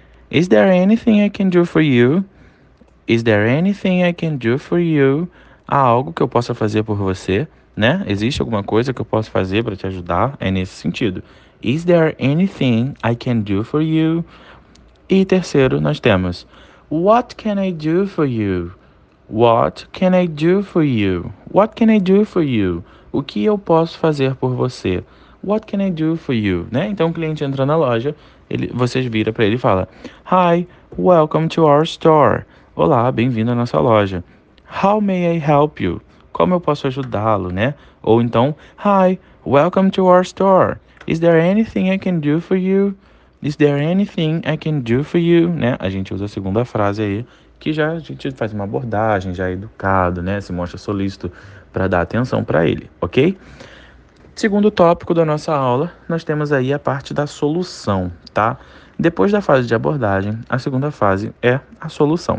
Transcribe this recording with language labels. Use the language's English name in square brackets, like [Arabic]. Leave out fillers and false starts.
[English] Is there anything I can do for you? Is there anything I can do for you? [Portuguese] Há algo que eu possa fazer por você, né? Existe alguma coisa que eu posso fazer para te ajudar? É nesse sentido. [English] Is there anything I can do for you? [Portuguese] E terceiro, nós temos: [English] What can I do for you? What can I do for you? What can I do for you? [Portuguese] O que eu posso fazer por você? [English] What can I do for you? [Portuguese] Né? Então o cliente entra na loja, vocês viram para ele e fala: [English] Hi, welcome to our store. [Portuguese] Olá, bem-vindo à nossa loja. [English] How may I help you? [Portuguese] Como eu posso ajudá-lo, né? Ou então: [English] Hi, welcome to our store. Is there anything I can do for you? Is there anything I can do for you? [Portuguese] Né? A gente usa a segunda frase aí, que já a gente faz uma abordagem, já é educado, né? Se mostra solícito para dar atenção para ele, ok? Segundo tópico da nossa aula, nós temos aí a parte da solução, tá? Depois da fase de abordagem, a segunda fase é a solução.